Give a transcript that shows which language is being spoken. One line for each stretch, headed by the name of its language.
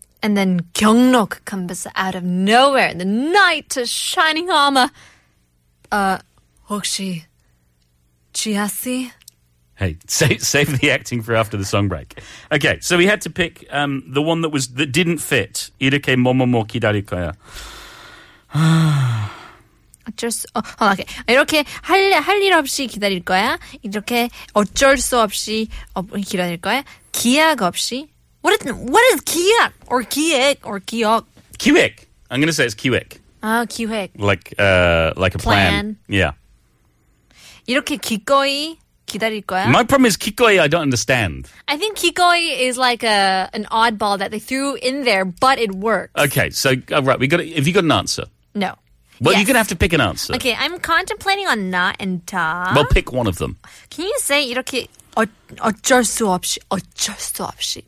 English: And then Kyungnok comes out of nowhere in the night to shining armor.
Korean: 혹시 지아 씨?
English: Hey, save the acting for after the song break. Okay, so we had to pick the one that was that didn't fit.
Korean: 이렇게 뭐뭐뭐 기다릴까요?
English: Okay.
Korean: 이렇게 할 일 없이 기다릴 거야. 이렇게 어쩔 수 없이 기다릴 거야. 기약 없이.
English: What is 기약 or 기획 or 기억? 기획. I'm going to say it's 기획.
Korean: 아, 기획.
English: Like a plan. Yeah.
Korean: 이렇게 기꺼이 기다릴 거야.
English: My problem is 기꺼이 I don't understand. I think 기꺼이 is like an oddball that they threw in there, but it works. Okay, so, right, have you got an answer? No. Well, yes. You're going to have to pick an answer. Okay, I'm contemplating on na and ta. Well, pick one of them. Can you say
Korean: 이렇게 어쩔 수 없이?